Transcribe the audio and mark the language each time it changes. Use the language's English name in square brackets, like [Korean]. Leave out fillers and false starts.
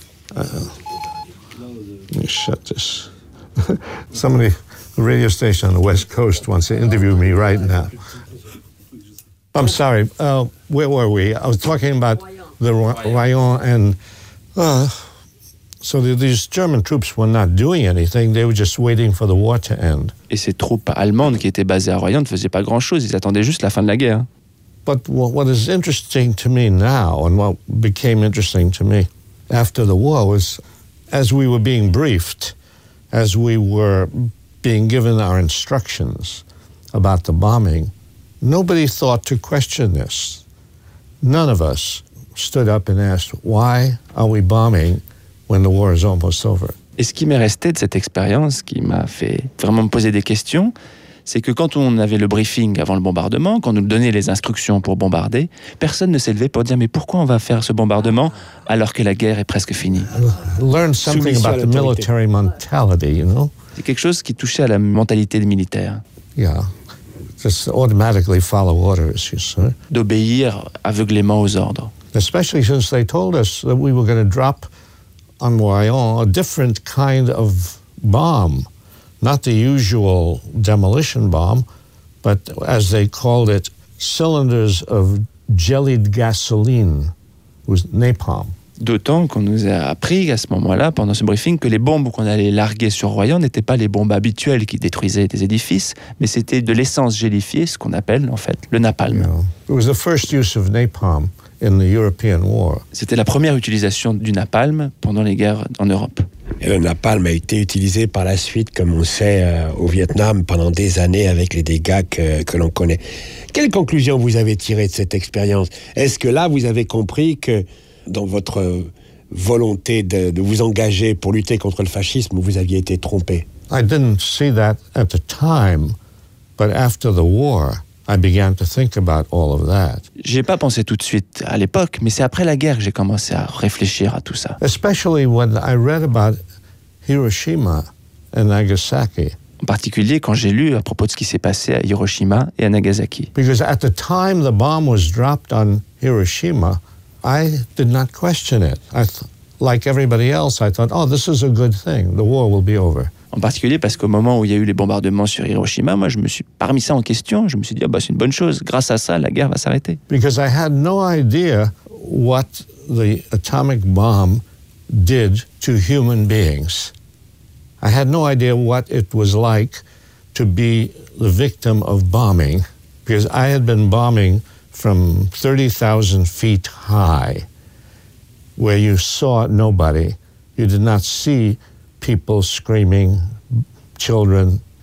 [English] Let me shut this. Somebody, a radio station on the West Coast, wants to interview me right now. I'm sorry. Where were we? I was talking about the Royan and... So these German troops were not doing anything. They were just waiting for the war to end. [French] Et ces troupes allemandes qui étaient basées à Royan ne faisaient pas grand-chose. Ils attendaient juste la fin de la guerre. [English] But what is interesting to me now, and what became interesting to me after the war, was as we were being briefed, as we were being given our instructions about the bombing, nobody thought to question this. None of us stood up and asked, why are we bombing when the war is almost over? [French] Et ce qui m'est resté de cette expérience, qui m'a fait vraiment me poser des questions, c'est que quand on avait le briefing avant le bombardement, quand on nous donnait les instructions pour bombarder, personne ne s'est levé pour dire « Mais pourquoi on va faire ce bombardement alors que la guerre est presque finie ?» C'est quelque chose qui touchait à la mentalité des militaires. [English] Yeah. Just automatically follow orders, you see. [French] D'obéir aveuglément aux ordres. [English] Especially since they told us that we were going to drop on Royan a different kind of bomb. Not the usual demolition bomb, but as they called it, cylinders of jellied gasoline, was napalm. [French] D'autant qu'on nous a appris à ce moment-là, pendant ce briefing, que les bombes qu'on allait larguer sur Royan n'étaient pas les bombes habituelles qui détruisaient des édifices, mais c'était de l'essence gélifiée, ce qu'on appelle en fait le napalm. [English] You know, it was the first use of napalm in the European war. [French] C'était la première utilisation du napalm pendant les guerres en Europe. Et le napalm a été utilisé par la suite, comme on sait, au Vietnam pendant des années avec les dégâts que l'on connaît. Quelle conclusion vous avez tirée de cette expérience? Est-ce que là, vous avez compris que dans votre volonté de vous engager pour lutter contre le fascisme, vous aviez été trompé? [English] I didn't see that at the time, but after the war, I began to think about all of that. [French] J'ai pas pensé tout de suite à l'époque, mais c'est après la guerre que j'ai commencé à réfléchir à tout ça. [English] Especially when I read about Hiroshima and Nagasaki. [French] En particulier quand j'ai lu à propos de ce qui s'est passé à Hiroshima et à Nagasaki. [English] Because at the time the bomb was dropped on Hiroshima, I did not question it. Like everybody else, I thought, oh, this is a good thing. The war will be over. [French] En particulier parce qu'au moment où il y a eu les bombardements sur Hiroshima, moi, je me suis pas remis ça en question. Je me suis dit, oh, bah, c'est une bonne chose. Grâce à ça, la guerre va s'arrêter. [English] Because I had no idea what the atomic bomb did to human beings. I had no idea what it was like to be the victim of bombing. Because I had been bombing from 30,000 feet high, where you saw nobody, you did not see people screaming, children.